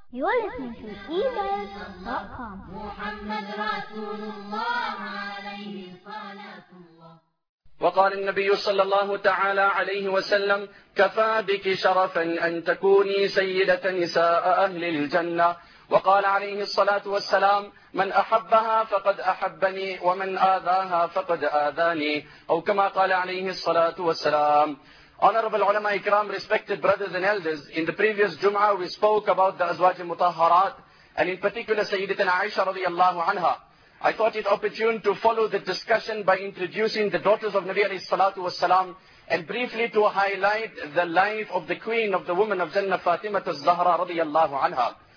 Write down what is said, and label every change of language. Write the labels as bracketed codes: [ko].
[en] You're listening to ebuzz.com. [ar] محمد رسول الله عليه الصلاة والسلام. وقال النبي صلى الله تعالى عليه وسلم: كفى بك شرفا أن تكوني سيدة نساء أهل الجنة. وقال عليه الصلاة والسلام: من أحبها فقد أحبني، ومن آذاها فقد آذاني. أو كما قال عليه الصلاة والسلام. [en] Honorable ulama ikram, respected brothers and elders, in the previous Jum'ah we spoke about the Azwaj al-Mutahharat, and in particular Sayyidatina Aisha radiallahu anha. I thought it opportune to follow the discussion by introducing the daughters of Nabi alayhi salatu wassalam and briefly to highlight the life of the queen of the women of Jannah, Fatima al-Zahra radiallahu anha.